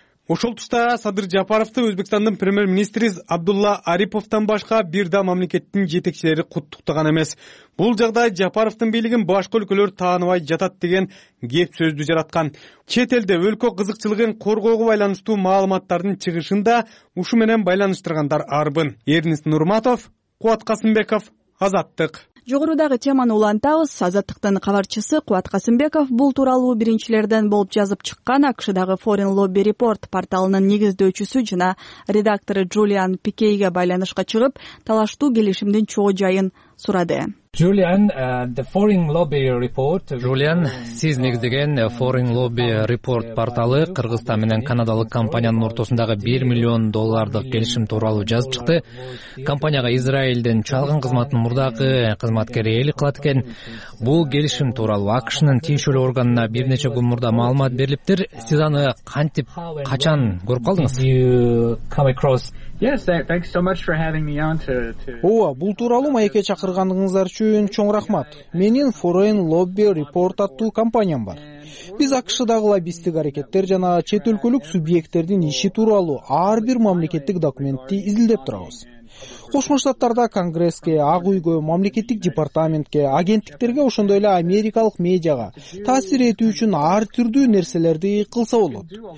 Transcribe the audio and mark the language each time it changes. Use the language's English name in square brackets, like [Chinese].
[Kyrgyz] Ошол тушта Садыр Жапаровду Өзбекстандын премьер-министри Абдулла Ариповтон башка бир да мамлекеттин жетекчилери куттуктаган эмес. Бул жагдай Жапаровдун бийлигин башка өлкөлөр тааныбай жатат деген кеп сөздү жараткан. Чет элде өлкө кызыкчылыгын коргоого байланыштуу маалыматтардын чыгышын да ушу менен байланыштыргандар арбын. Эрнис Нурматов, Кубат Касымбеков, Азаттык. Жогорудагы теманы улантабыз. Азаттыктын кабарчысы Кубат Касымбеков бул тууралуу биринчилерден болуп жазып чыккан АКШдагы Foreign Lobby Report порталынын негиздөөчүсү жана редактору Джулиан Пикейге байланышка чыгып, талаштуу келишимдин чогуу жайын сурады. [English] Julian, the Foreign Lobby Report. [Kyrgyz] Julian, сиз негиздеген Foreign Lobby Report порталы Кыргызстан менен канадалык компаниянын ортосундагы 1 миллион доллардык келишим тууралуу жазып чыкты. Компанияга Израилдин чалгын кызматынын мурдагы кызматкери ээлик кылат экен. Бул келишим тууралуу АКШнын тиешелүү органына бир нече күн мурда маалымат берилиптир. Сиз аны кантип, качан көрүп калдыңыз? [English] Yes, thanks so much for having me on to. [Kyrgyz] Оо, бул тууралуу маекке чакырганыңыздар үчүн чоң рахмат. Менин Foreign Lobby Report аттуу компаниям бар. Биз АКШ-дагы лоббисттик аракеттер жана чет өлкөлүк субъекттердин иши тууралуу ар бир мамлекеттик документти изилдеп турабыз. Кошмо Штаттарда Конгресске, Ак Үйгө, мамлекеттик департаментке, агенттиктерге, ошондой эле америкалык медиага таасир этүү үчүн ар түрдүү нерселерди кылса болот.